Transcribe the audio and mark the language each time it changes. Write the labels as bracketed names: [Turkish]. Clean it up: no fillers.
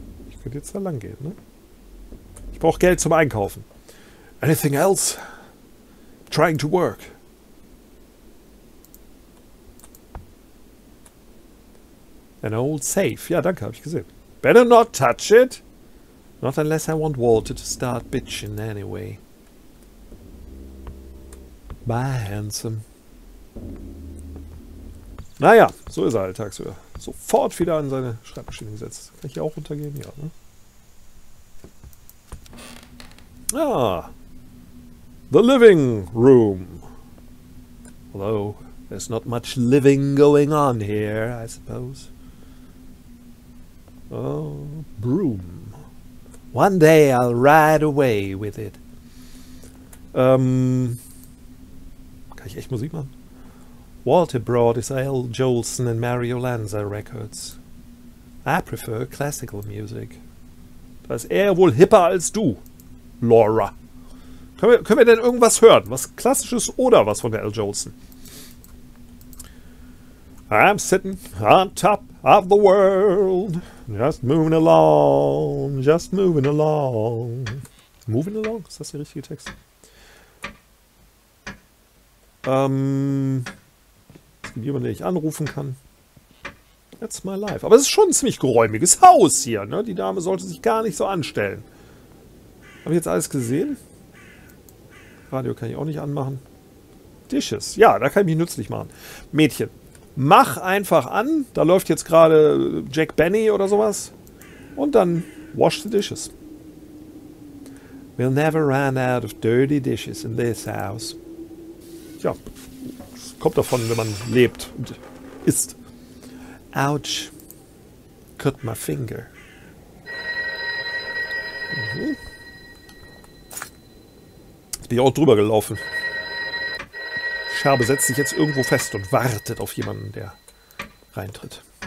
[German] Ich könnte jetzt da lang gehen, ne? Ich brauche Geld zum Einkaufen. [English] Anything else? Trying to work. An old safe. [German] Ja, danke, habe ich gesehen. [English] Better not touch it. Not unless I want Walter to start bitching anyway. Bye, handsome. [German] Naja, so ist er halt tagsüber. Sofort wieder an seine Schreibmaschine gesetzt. Kann ich hier auch runtergehen? Ja, ne? Ah! [English] The living room! Although, there's not much living going on here, I suppose. Oh, broom. One day I'll ride away with it. [German] Kann ich echt Musik machen? [English] Walter brought his L. Jolson and Mario Lanza records. I prefer classical music. [German] Da ist er wohl hipper als du, Laura. Können wir denn irgendwas hören? Was Klassisches oder was von der L. Jolson? [English] I'm sitting on top of the world. Just moving along. Moving along? [German] Ist das der richtige Text? Es gibt jemanden, den ich anrufen kann. [English] That's my life. [German] Aber es ist schon ein ziemlich geräumiges Haus hier, ne? Die Dame sollte sich gar nicht so anstellen. Habe ich jetzt alles gesehen? Radio kann ich auch nicht anmachen. Dishes. Ja, da kann ich mich nützlich machen. Mädchen. Mach einfach an, da läuft jetzt gerade Jack Benny oder sowas. Und dann [English] wash the dishes. We'll never run out of dirty dishes in this house. [German] Tja, kommt davon, wenn man lebt und isst. [English] Ouch, cut my finger. Mhm. [German] Jetzt bin ich auch drüber gelaufen. Scherbe setzt sich jetzt irgendwo fest und wartet auf jemanden, der reintritt.